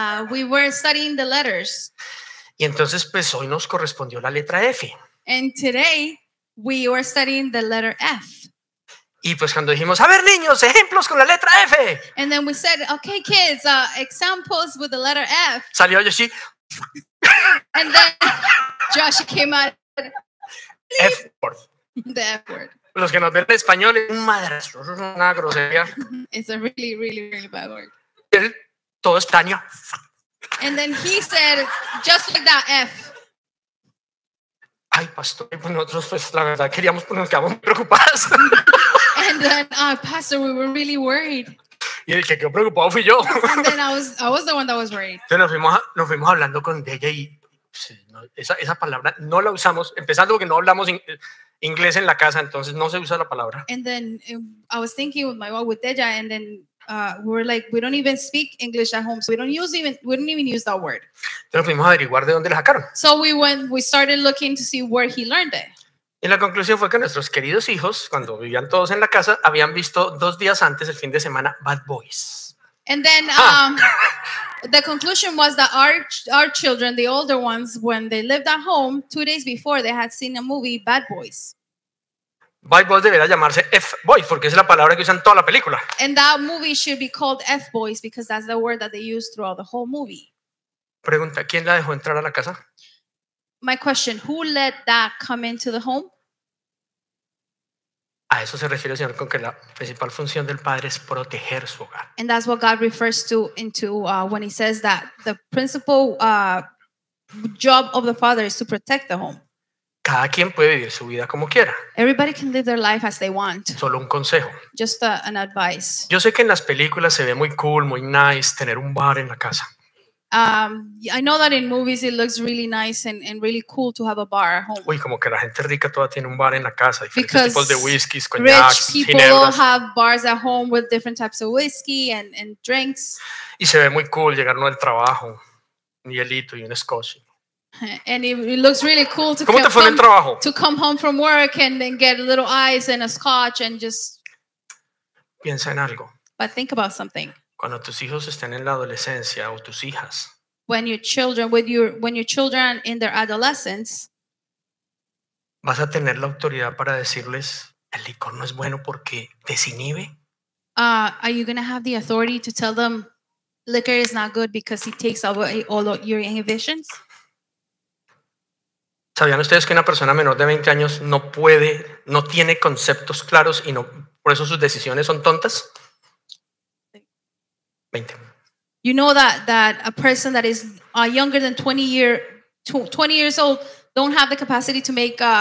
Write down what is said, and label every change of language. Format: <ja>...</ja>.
<en>We were studying the letters.</en> <es>Y entonces, pues hoy nos correspondió la letra F.</es> <en>And today, we were studying the letter F.</en> <es>Y pues cuando dijimos, a ver niños, ejemplos con la letra F.</es> <en>And then we said, okay kids, examples with the letter F.</en> <es>Salió Joshi.</es> <en>And then Joshi came out. F word. The F word.</en> <es>Los que nos ven en español es un madrazo, es una grosería.</es> <en>It's a really, really, really bad word.</en> <es>Él, todo extraño.</es> <en>And then he said, just like that, F.</en> <es>Ay, pastor, pues nosotros, pues la verdad, queríamos, pues nos quedamos preocupados.</es> <en>And then, pastor, we were really worried.</en> <es>Y el que quedó preocupado fui yo.</es> <en>And then I was the one that was worried.</en> <es>Entonces nos fuimos hablando con ella y esa palabra no la usamos, empezando porque no hablamos inglés en la casa, entonces no se usa la palabra.</es> <en>And then I was thinking with my wife, with Deja, and then we were like, we don't even speak English at home, so we don't even use that word.</en> <es>Pero fuimos a averiguar de dónde la sacaron.</es> <en>So we started looking to see where he learned it.</en> <es>Y la conclusión fue que nuestros queridos hijos, cuando vivían todos en la casa, habían visto 2 días antes, el fin de semana, Bad Boys.</es> <en>And then the conclusion was that our children, the older ones, when they lived at home, 2 days before, they had seen a movie, Bad Boys.</en> <es>Bad Boys debería llamarse F-Boys, porque es la palabra que usan toda la película.</es> <en>And that movie should be called F-Boys, because that's the word that they use throughout the whole movie.</en> <es>Pregunta, ¿quién la dejó entrar a la casa?</es> <en>My question, who let that come into the home?</en> <es>A eso se refiere el Señor con que la principal función del padre es proteger su hogar.</es> <en>And that's what God refers to into when he says that the principal job of the father is to protect the home.</en> <es>Cada quien puede vivir su vida como quiera.</es> <en>Everybody can live their life as they want.</en> <es>Solo un consejo.</es> <en>Just an advice.</en> <es>Yo sé que en las películas se ve muy cool, muy nice tener un bar en la casa.</es> <en>I know that in movies it looks really nice and really cool to have a bar at home.</en> <es>Uy, como que la gente rica toda tiene un bar en la casa, diferentes tipos de whiskies, coñacs, ginebras.</es> <en>Rich people have bars at home with different types of whiskey and drinks.</en> <es>Y se ve muy cool llegar uno del trabajo, un hielito y un scotch.</es> <en>And it looks really cool to</en> <es>¿cómo te fue en el trabajo?</es> <en>To come home from work and then get a little ice and a scotch and just.</en> <es>Piensa en algo.</es> <en>But think about something.</en> <es>Cuando tus hijos estén en la adolescencia o tus hijas.</es> <en>When your children in their adolescence.</en> <es>Vas a tener la autoridad para decirles el licor no es bueno porque desinhibe.</es> <en>Are you going to have the authority to tell them liquor is not good because it takes away all of your inhibitions?</en> <es>¿Sabían ustedes que una persona menor de 20 años no puede, no tiene conceptos claros y no, por eso sus decisiones son tontas? 20.</es> <en>You know that a person that is younger than 20 years old don't have the capacity to make</en>